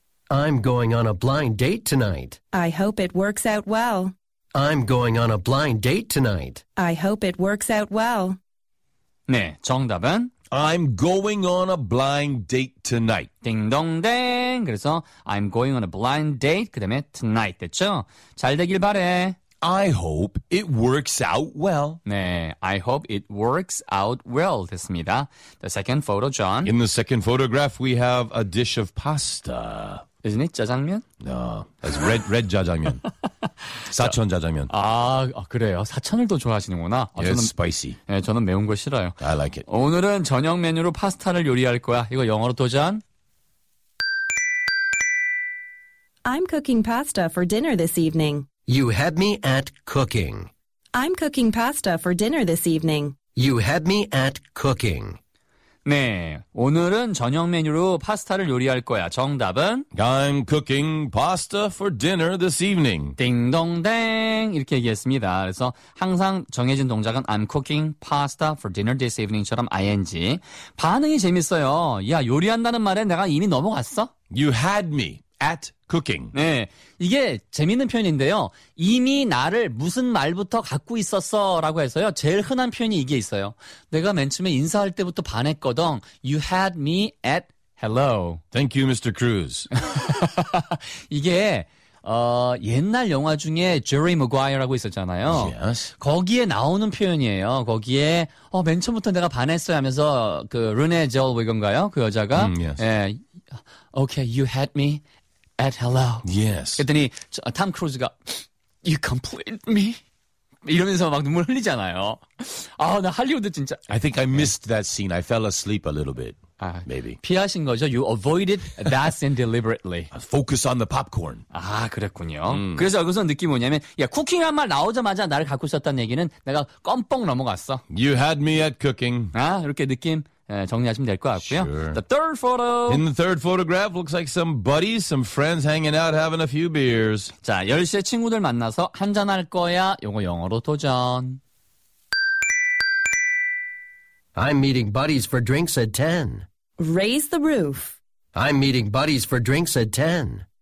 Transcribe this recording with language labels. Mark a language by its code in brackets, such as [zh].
[en] I'm going on a blind date tonight. I hope it works out well. I'm going on a blind date tonight. I hope it works out well. [ko] 네, 정답은? [en] I'm going on a blind date tonight. [ko] 딩동댕. 그래서 [en] I'm going on a blind date. [ko] 그 다음에 tonight 됐죠? 잘 되길 바래. [en] I hope it works out well. 네, I hope it works out well [ko] 됐습니다. [en] The second photo, John. In the second photograph, we have a dish of pasta. Isn't it 짜장면? No, it's red 짜장면. [ko] 사천 짜장면. 아, 그래요? 사천을 더 좋아하시는구나. 아, [en] yes, [ko] 저는, [en] spicy. [ko] 네, 저는 매운 거 싫어요. [en] I like it. [ko] 오늘은 저녁 메뉴로 파스타를 요리할 거야. 이거 영어로 도전. [en] I'm cooking pasta for dinner this evening. You had me at cooking. I'm cooking pasta for dinner this evening. You had me at cooking. [ko] 네, 오늘은 저녁 메뉴로 파스타를 요리할 거야. 정답은? [en] I'm cooking pasta for dinner this evening. [ko] 띵동댕 이렇게 얘기했습니다. 그래서 항상 정해진 동작은 [en] I'm cooking pasta for dinner this evening처럼 ing. [ko] 반응이 재밌어요. 야, 요리한다는 말에 내가 이미 넘어갔어? [en] You had me at cooking. [ko] 네, 이게 재밌는 표현인데요. 이미 나를 무슨 말부터 갖고 있었어라고 해서요. 제일 흔한 표현이 이게 있어요. 내가 맨 처음에 인사할 때부터 반했거든. [en] You had me at hello. Thank you, Mr. Cruz. [ko] 이게 옛날 영화 중에 Jerry Maguire라고 있었잖아요. [en] Yes. [ko] 거기에 나오는 표현이에요. 거기에 맨 처음부터 내가 반했어요 하면서 그 르네 젤웨건가요? 그 여자가. [en] Yes. 예. Okay, you had me. At hello. Yes. [ko] 그랬더니 탐 크루즈가 [en] You complete me? [ko] 이러면서 막 눈물 흘리잖아요. 아, 나 할리우드 진짜. [en] I think I missed that scene. I fell asleep a little bit. 아, maybe. [ko] 피하신 거죠? [en] You avoided that scene deliberately. Focus on the popcorn. [ko] 아, 그랬군요. 그래서 여기서 느낌이 뭐냐면 야, 쿠킹한 말 나오자마자 나를 갖고 있었다는 얘기는 내가 껌뻑 넘어갔어. [en] You had me at cooking. [ko] 아, 이렇게 느낌. 네, 정리하시면 될 것 같고요. [en] Sure. The third photo. In the third photograph, looks like some buddies, some friends hanging out, having a few beers. [ko] 자, 10시에 친구들 만나서 한잔할 거야. 이거 영어로 도전. [en] I'm meeting buddies for drinks at 10. Raise the roof. I'm meeting buddies for drinks at 10.